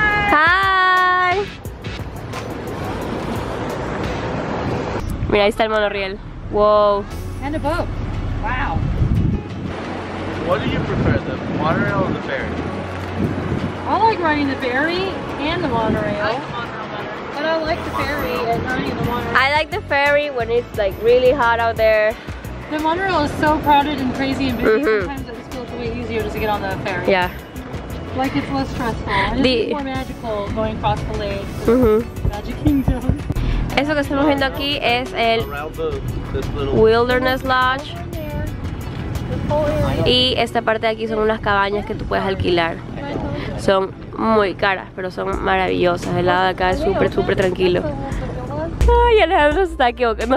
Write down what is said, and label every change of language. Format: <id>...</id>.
<en>Hi.</en> <es>Mira, ahí está el monorriel. Wow.</es> <en>And a boat. Wow. What do you prefer, the monorail or the ferry? I like riding the ferry and the monorail. I like the monorail better. But I like the ferry and riding the monorail. I like the ferry when it's like really hot out there. The monorail is so crowded and crazy and busy, mm-hmm. Sometimes it feels way easier just to get on the ferry. Yeah. Like it's less stressful. It's more magical going across the lake. Mm-hmm. Magic Kingdom.</en> <es>Eso que estamos viendo aquí es el Wilderness Lodge. Y esta parte de aquí son unas cabañas que tú puedes alquilar. Son muy caras, pero son maravillosas. El lado de acá es súper, súper tranquilo. Ay, Alejandro se está equivocando.</es>